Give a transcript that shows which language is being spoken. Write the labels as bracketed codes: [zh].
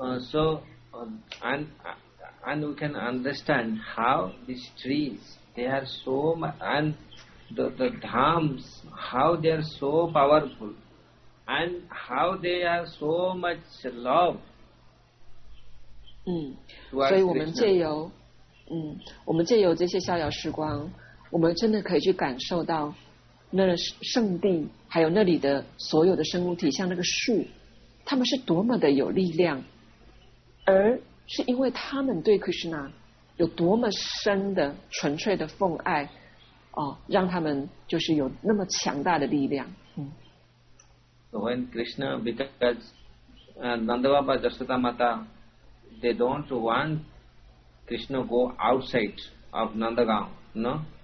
[en] So, and we can understand how these trees they are so and. The dhams, how they are so powerful, and how they are so much love. [zh] 嗯，所以我们借由，嗯，我们借由这些逍遥时光，我们真的可以去感受到那圣地，还有那里的所有的生物体，像那个树，他们是多么的有力量，而是因为他们对 Krishna 有多么深的纯粹的奉爱。哦，让他们就是有那么强大的力量。嗯。 [en] So、when Krishna because Nanda Baba Jashoda Mata they don't want Krishna go outside of Nandagaon, no?